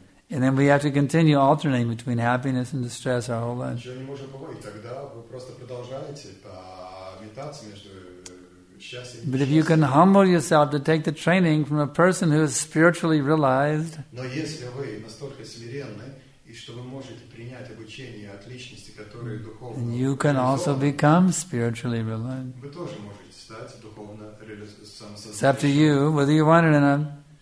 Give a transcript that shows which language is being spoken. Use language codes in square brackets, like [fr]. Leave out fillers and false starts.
[en] And then we have to continue alternating between happiness and distress our whole life. [ru] Ничего не можем побоить. Тогда вы просто продолжаете метаться между счастьем. [en] But if you can humble yourself to take the training from a person who is spiritually realized. [ru] Но если вы настолько смиренны и что вы можете принять обучение от личности, которая духовно. [en] And you can also become spiritually realized. [ru] Вы тоже можете стать духовно самосознающим. [en] It's up to you whether you want it or not.